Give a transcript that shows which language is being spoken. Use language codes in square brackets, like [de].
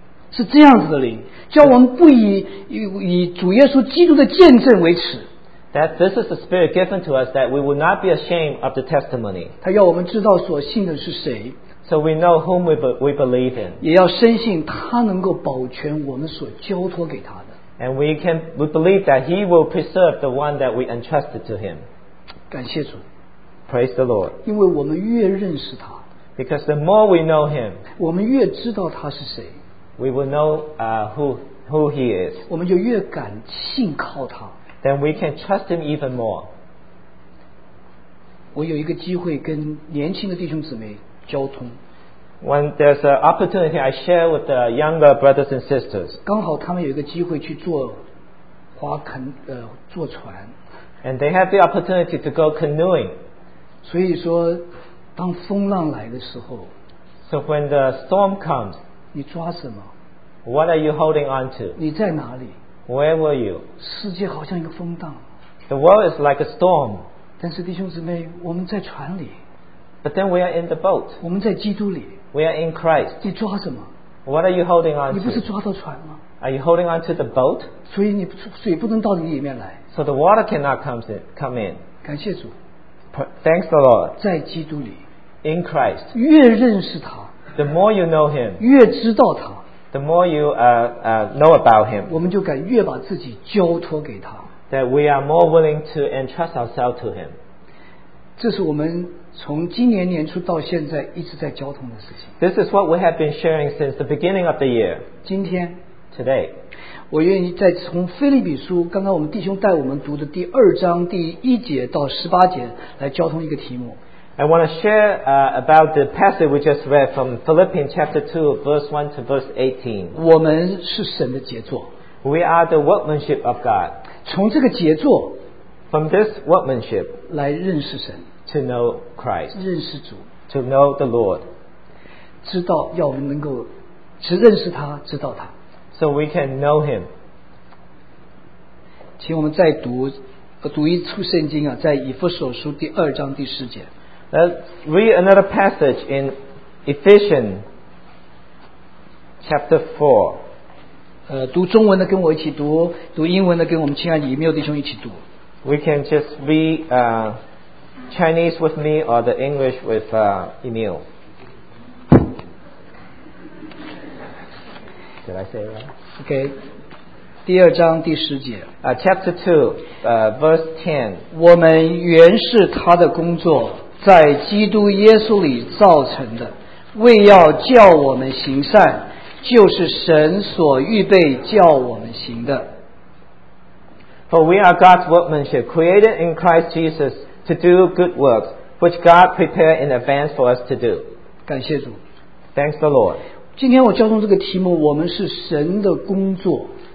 [zh] 是这样子的灵，叫我们不以主耶稣基督的见证为耻。 [en] That this is the spirit given to us that we will not be ashamed of the testimony. [zh] 他要我们知道所信的是谁。 [en] So we know whom we believe in. [zh] 也要深信他能够保全我们所交托给他的。 [en] And we believe that he will preserve the one that we entrusted to him. [zh] 感谢主。 [en] Praise the Lord. [zh] 因为我们越认识他。 [en] Because the more we know him, [zh] 我们越知道他是谁。 [en] We will know who he is. [zh] 我们就越敢信靠他。 [en] Then we can trust him even more. [zh] 我有一个机会跟年轻的弟兄姊妹交通。 [en] When there's an opportunity, I share with the younger brothers and sisters. [zh] 刚好他们有一个机会去坐划垦坐船。 [en] And they have the opportunity to go canoeing. [zh] 所以说当风浪来的时候， [en] So when the storm comes, [zh] 你抓什么？ [en] What are you holding on to? [zh] 你在哪里？ [en] Where were you? [zh] 世界好像一个风浪。 [en] The world is like a storm. [zh] 但是弟兄姊妹，我们在船里。 [en] But then we are in the boat. [zh] 我们在基督里。 [en] We are in Christ. [zh] 你抓什么？ [en] What are you holding on to? [zh] 你不是抓到船吗？ [en] Are you holding on to the boat? [zh] 所以你水不能到你里面来。 [en] So the water cannot come in. [zh] 感谢主。 [en] Thanks the Lord. [zh] 在基督里。 [en] In Christ. [zh] 越认识他。 [en] The more you know him. [zh] 越知道他。 [en] The more you know about him. [zh] 我们就敢越把自己交托给他。 [en] That we are more willing to entrust ourselves to him. [zh] 这是我们从今年年初到现在一直在交通的事情。 [en] This is what we have been sharing since the beginning of the year. [zh] 今天。 [en] Today. [zh] 我愿意再从腓立比书刚刚我们弟兄带我们读的第二章第一节到十八节来交通一个题目。 [en] I want to share about the passage we just read from Philippians chapter 2, verse 1 to verse 18. [zh] 我们是神的杰作。 [en] We are the workmanship of God. [zh] 从这个杰作。 [en] From this workmanship. [zh] 来认识神。 [en] To know Christ. [zh] 认识主。 [en] To know the Lord. [zh] 知道要我们能够只认识他，知道他。 [en] So we can know him. [zh] 请我们再读一处圣经啊，在以弗所书第二章第十节。 [en] Let's read another passage in Ephesians chapter 4. [zh] 读中文的跟我一起读，读英文的跟我们亲爱的以弗弟兄一起读。 [en] We can just read Chinese with me or the English with Emil. Did I say it right? [zh] Okay. 第二章第十节。 [en] Chapter 2, verse 10. [zh] 我们原是他的工作。在基督耶稣里造成的，为要叫我们行善，就是神所预备叫我们行的。 [en] For we are God's workmanship, created in Christ Jesus to do good works, which God prepared in advance for us to do. [zh] 感谢主。 [en] Thanks the Lord. [zh] 今天我交通这个题目，我们是神的工作。